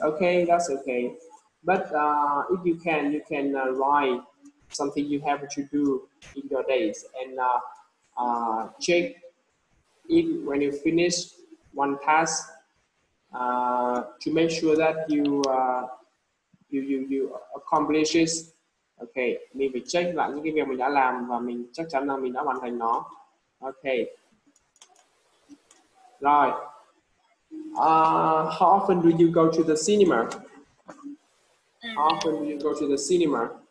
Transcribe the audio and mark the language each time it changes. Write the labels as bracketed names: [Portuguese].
[English] Okay, that's okay. But if you can, you can write something you have to do in your days and check it when you finish one task to make sure that you accomplish it. [Vietnamese] Okay, mình phải check lại những cái việc mình đã làm và mình chắc chắn là mình đã hoàn thành nó. Okay. Rồi. [English] How often do you go to the cinema? How often do you go to the cinema?